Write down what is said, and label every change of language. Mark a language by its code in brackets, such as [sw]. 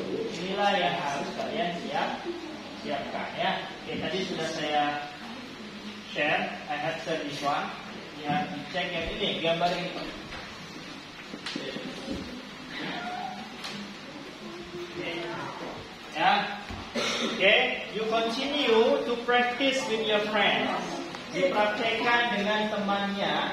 [id] Inilah yang harus kalian siapkan ya. [en] Okay, [id] tadi sudah saya [en] share. I have said this one. [id] Ya, dicek yang ini gambar ini. [en] Okay. Yeah. Okay. You continue to practice with your friends. [id] Dipraktekan dengan temannya.